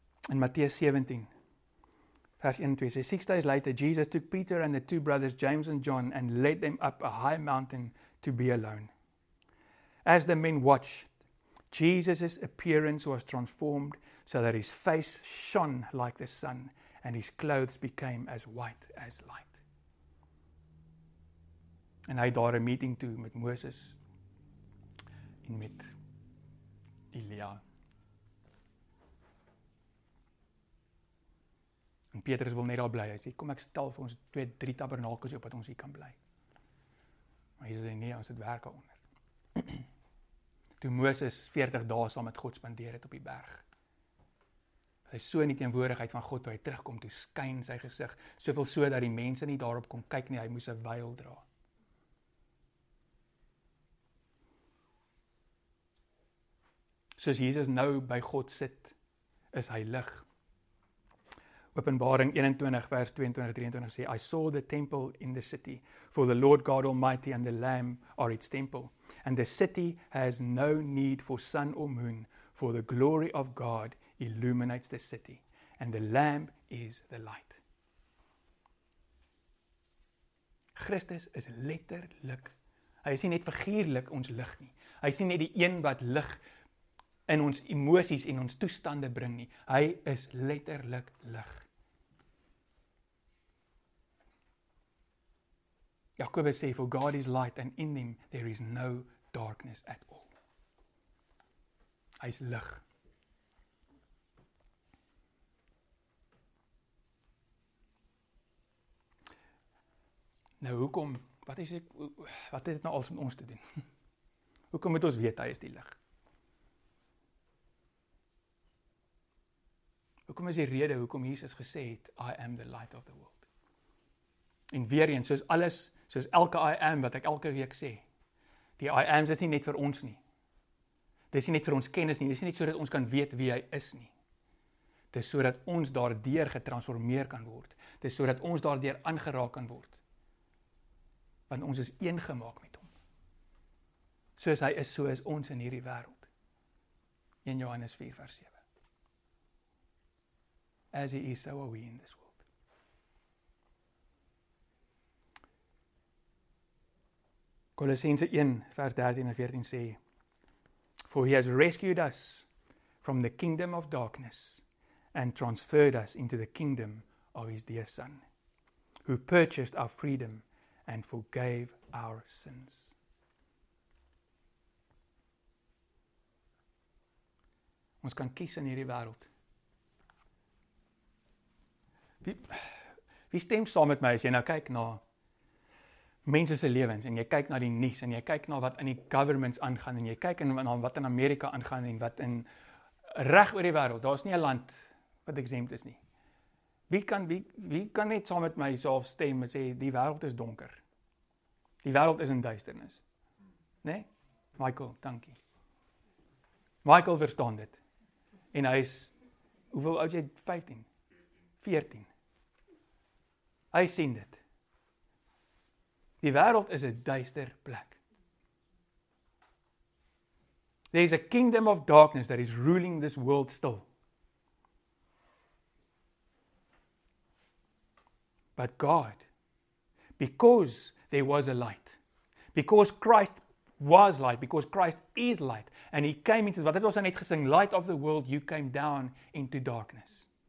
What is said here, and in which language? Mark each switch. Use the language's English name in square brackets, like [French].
[Afrikaans] In Matteus 17, vers 1 en 2, [English] 6 days later, Jesus took Peter and the two brothers, James and John, and led them up a high mountain to be alone. As the men watched, Jesus' appearance was transformed so that his face shone like the sun and his clothes became as white as light. [Afrikaans] En hy daar 'n meeting toe met Moses en met Elia. En Petrus wil net daar bly. Hy sê, kom ek stel vir ons 2-3 tabernakels op wat ons hier kan bly. Maar hy sê, nee, ons het werk daaronder. Toe Moses 40 dae saam met God spandeer het op die berg. Hy so in die teenwoordigheid van God, toe hy terugkom, toe skyn sy gesig, soveel so dat die mense nie daarop kon kyk nie, hy moes 'n wyl dra. Soos Jesus nou by God sit, is hy lig. Openbaring 21 vers 22-23 sê, [English] I saw the temple in the city, for the Lord God Almighty and the Lamb are its temple. And the city has no need for sun or moon, for the glory of God illuminates the city, and the Lamb is the light. [Afrikaans] Christus is letterlik. Hy is nie net figuurlik ons lig nie. Hy is nie net die een wat lig in ons emosies en ons toestande bring nie. Hy is letterlik lig. Jakobus sê, [English] for God is light and in him there is no darkness at all. [Afrikaans] Hy is lig. Nou hoekom, wat het dit nou als met ons te doen? Hoekom moet ons weet hy is die lig? Hoekom is die rede hoekom Jesus gesê het, [English] I am the light of the world? [Afrikaans] En weer eens, soos alles, soos elke I am wat ek elke week sê, die I am's is nie net vir ons nie. Dit is nie net vir ons kennis nie, dit is nie net so dat ons kan weet wie hy is nie. Dit is so dat ons daardeur getransformeer kan word. Dit is so dat ons daardeur aangeraak kan word. Want ons is een gemaak met hom. Soos hy is, so is ons in hierdie wêreld. 1 Johannes 4 vers 7. [English] As he is, so are we in this world. [Afrikaans] Kolossense 1 vers 13 en 14 sê, [English] For he has rescued us from the kingdom of darkness and transferred us into the kingdom of his dear son, who purchased our freedom and forgave our sins. [Afrikaans] Ons kan kies in hierdie wêreld. Wie stem saam met my as jy nou kyk na mense se lewens en jy kyk na die nuus en jy kyk na wat in die governments aangaan en jy kyk na wat in Amerika aangaan en wat in reg oor die wêreld. Daar's nie 'n land wat exempt is nie. Wie kan net saam met my self stem en sê die wêreld is donker? Die wêreld is in duisternis. Né? Nee? Michael, dankie. Michael verstaan dit. En hy is, hoeveel oud jy? 15? 14? Hy sien dit. Die wêreld is 'n duister plek. [English] There is a kingdom of darkness that is ruling this world still. But God, because there was a light, because Christ was light, because Christ is light, and he came into, [Afrikaans] wat het ons net gesing, [English] light of the world, you came down into darkness.